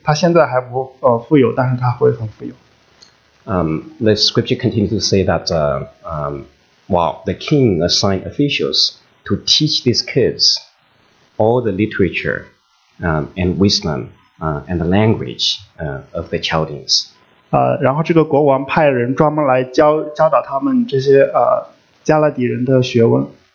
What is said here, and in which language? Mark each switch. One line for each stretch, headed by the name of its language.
Chinese: 他现在还不富有，但是他会很富有。
English: The scripture continues to say that the king assigned officials to teach these kids all the literature and wisdom. And the language of the Chaldeans.
Chinese: 然后这个国王派人专门来教导他们这些加勒底人的学问。